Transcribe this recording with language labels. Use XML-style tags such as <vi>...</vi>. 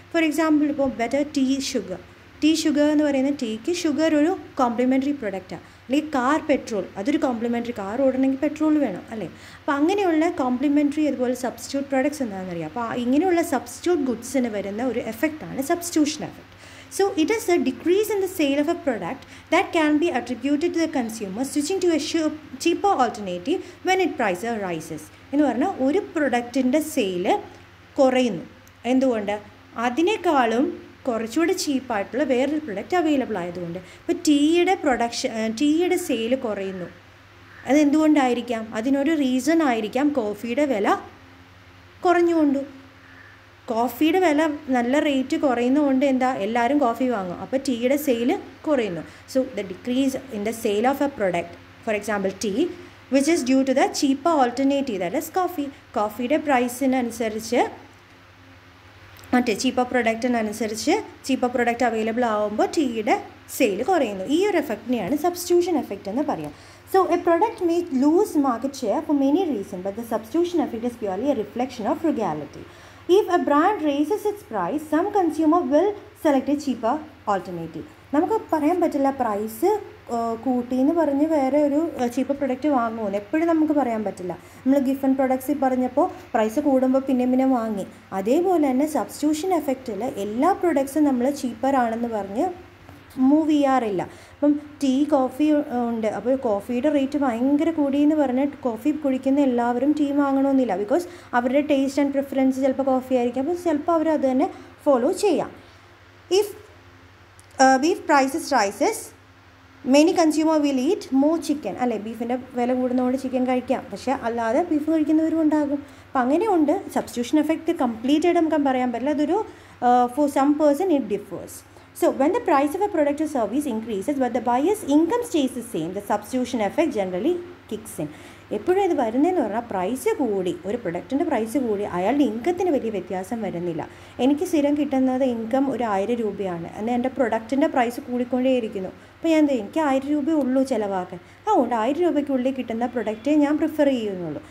<ml>For example ഇപ്പോൾ better tea sugar, tea sugar എന്ന് പറയുന്നത് ടീക്ക് ഷുഗർ ഒരു കോംപ്ലിമെൻ്ററി പ്രൊഡക്റ്റാണ്. അല്ലെങ്കിൽ കാർ പെട്രോൾ, അതൊരു കോംപ്ലിമെൻ്ററി, കാർ ഓടണമെങ്കിൽ പെട്രോൾ വേണം അല്ലേ. അപ്പോൾ അങ്ങനെയുള്ള കോംപ്ലിമെൻ്ററി അതുപോലെ സബ്സ്റ്റിറ്റ്യൂട്ട് പ്രൊഡക്ട്സ് എന്താണെന്നറിയാം. അപ്പോൾ ഇങ്ങനെയുള്ള സബ്സ്റ്റിറ്റ്യൂട്ട് ഗുഡ്സിന് വരുന്ന ഒരു എഫക്റ്റാണ് substitution effect.</ml> <en>So it is a decrease in the sale of a product that can be attributed to the consumer switching to a cheaper alternative when its price rises.</en> <ml>എന്ന് പറഞ്ഞാൽ ഒരു പ്രൊഡക്റ്റിൻ്റെ sale കുറയുന്നു. എന്തുകൊണ്ട്? അതിനേക്കാളും കുറച്ചുകൂടി ചീപ്പായിട്ടുള്ള വേറൊരു പ്രൊഡക്റ്റ് അവൈലബിൾ ആയതുകൊണ്ട്. ഇപ്പോൾ ടീയുടെ പ്രൊഡക്ഷൻ, ടീയുടെ സെയില് കുറയുന്നു, അതെന്തുകൊണ്ടായിരിക്കാം? അതിനൊരു റീസൺ ആയിരിക്കാം കോഫിയുടെ വില കുറഞ്ഞുകൊണ്ടു. കോഫിയുടെ വില നല്ല റേറ്റ് കുറയുന്നതുകൊണ്ട് എന്താ, എല്ലാവരും കോഫി വാങ്ങും, അപ്പോൾ ടീയുടെ സെയില് കുറയുന്നു.</ml> <en>So the decrease in the sale of a product, for example tea, which is due to the cheaper alternative that is coffee.</en> <ml>കോഫിയുടെ പ്രൈസിനനുസരിച്ച് മറ്റേ ചീപ്പർ പ്രൊഡക്റ്റിനനുസരിച്ച് ചീപ്പർ പ്രൊഡക്റ്റ് അവൈലബിൾ ആകുമ്പോൾ ടീയുടെ സെയില് കുറയുന്നു. ഈ ഒരു എഫക്റ്റിനെയാണ് സബ്സ്റ്റിറ്റ്യൂഷൻ എഫക്റ്റ് എന്ന് പറയാം.</ml> <en>So a product may lose market share for many reason, but the substitution effect is purely a reflection of reality. If a brand raises its price, some consumer will select a cheaper alternative.</en> <ml>നമുക്ക് പറയാൻ പറ്റില്ല price കൂട്ടി എന്ന് പറഞ്ഞ് വേറെ ഒരു cheaper product വാങ്ങുമെന്ന് എപ്പോഴും നമുക്ക് പറയാൻ പറ്റില്ല. നമ്മൾ ഗിഫ്റ്റ് ആൻഡ് പ്രൊഡക്ട്സ് പറഞ്ഞപ്പോൾ പ്രൈസ് കൂടുമ്പോൾ പിന്നെ വാങ്ങി. അതേപോലെ തന്നെ സബ്സ്റ്റിറ്റ്യൂഷൻ എഫക്റ്റിൽ എല്ലാ പ്രൊഡക്ട്സും നമ്മൾ ചീപ്പറാണെന്ന് പറഞ്ഞ് മൂവ് ചെയ്യാറില്ല. അപ്പം ടീ കോഫി ഉണ്ട്, അപ്പോൾ കോഫിയുടെ റേറ്റ് ഭയങ്കര കൂടിയെന്ന് പറഞ്ഞ് കോഫി കുടിക്കുന്ന എല്ലാവരും ടീ വാങ്ങണമെന്നില്ല. ബിക്കോസ് അവരുടെ ടേസ്റ്റ് ആൻഡ് പ്രിഫറൻസ് ചിലപ്പോൾ കോഫി ആയിരിക്കും. അപ്പോൾ ചിലപ്പോൾ അവർ അത് തന്നെ ഫോളോ ചെയ്യാം.</ml> <en>if beef prices rises many consumer will eat more chicken,</en> <ml>അല്ലേ. ബീഫിൻ്റെ വില കൂടുന്നതുകൊണ്ട് ചിക്കൻ കഴിക്കാം, പക്ഷേ അല്ലാതെ ബീഫ് കഴിക്കുന്നവരും ഉണ്ടാകും. അപ്പം അങ്ങനെയുണ്ട്. സബ്സ്റ്റിറ്റ്യൂഷൻ എഫക്റ്റ് കംപ്ലീറ്റ് ആയിട്ട് നമുക്ക് പറയാൻ പറ്റില്ല.</ml> <en>അതൊരു for some person it differs. So when the price of a product or service increases but the buyer's income stays the same, the substitution effect generally kicks in.</en> <ml>എപ്പോഴും ഇത് വരുന്നതെന്ന് പറഞ്ഞാൽ price കൂടി, ഒരു പ്രൊഡക്റ്റിൻ്റെ പ്രൈസ് കൂടി അയാളുടെ ഇൻകത്തിന് വലിയ വ്യത്യാസം വരുന്നില്ല. എനിക്ക് സ്ഥിരം കിട്ടുന്നത് ഇൻകം 1000 രൂപയാണ്, എന്നാൽ എൻ്റെ പ്രൊഡക്റ്റിൻ്റെ പ്രൈസ് കൂടിക്കൊണ്ടേയിരിക്കുന്നു. അപ്പോൾ ഞാൻ എന്താ, എനിക്ക് 1000 രൂപയുള്ളൂ ചിലവാക്കാൻ, അതുകൊണ്ട് 1000 രൂപയ്ക്കുള്ളിൽ കിട്ടുന്ന പ്രൊഡക്റ്റേ ഞാൻ പ്രിഫർ ചെയ്യുന്നുള്ളൂ.</ml>